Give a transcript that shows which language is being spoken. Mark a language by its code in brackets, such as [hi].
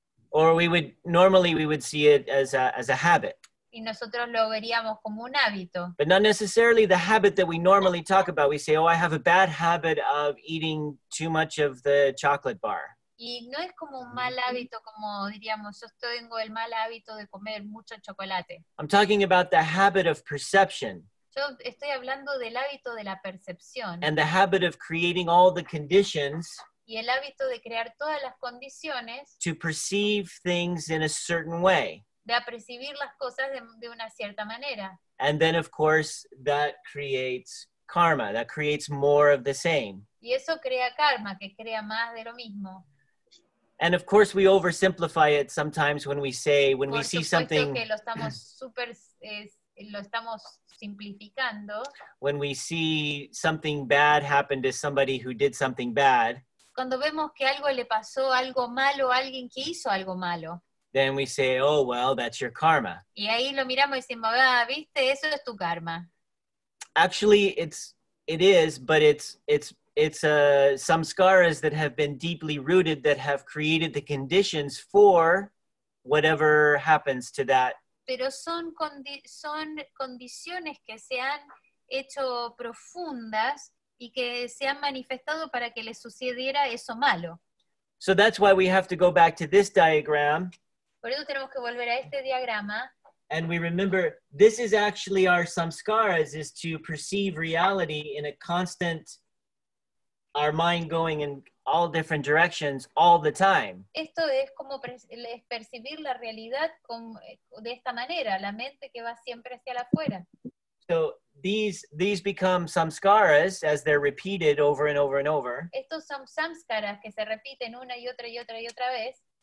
[en] Or we would normally see it as a habit. [es] Y nosotros lo veríamos como un hábito. [en] But not necessarily the habit that we normally talk about. We say, oh, I have a bad habit of eating too much of the chocolate bar. [es] Y no es como un mal hábito, como diríamos, yo tengo el mal hábito de comer mucho chocolate. [en] I'm talking about the habit of perception. [es] Yo estoy hablando del hábito de la percepción. [en] And the habit of creating all the conditions. [es] Y el hábito de crear todas las condiciones. [en] To perceive things in a certain way. [es] De apercibir las cosas de una cierta manera. [en] And then, of course, that creates karma. That creates more of the same. [es] Y eso crea karma, que crea más de lo mismo. [en] And of course, we oversimplify it sometimes when we say, when [es] por [en] we see something. [es] Que lo estamos super, lo estamos simplificando. [en] When we see something bad happen to somebody who did something bad. [es] Cuando vemos que algo le pasó algo malo a alguien que hizo algo malo. [en] Then we say, oh, well, that's your karma. [es] Y ahí lo miramos y decimos, ah, viste, eso es tu karma. [en] Actually, it's samskaras that have been deeply rooted that have created the conditions for whatever happens to that. [es] Pero son condiciones que se han hecho profundas y que se han manifestado para que le sucediera eso malo. [en] So that's why we have to go back to this diagram. [es] Por eso tenemos que volver a este diagrama. [en] And we remember this is actually our samskaras, is to perceive reality in a constant, our mind going in all different directions all the time. [es] Esto es como percibir la realidad de esta manera, la mente que va siempre hacia afuera. [en] So these become samskaras as they're repeated over and over and over. [es] Estos son samskaras que se repiten una y otra y otra y otra vez.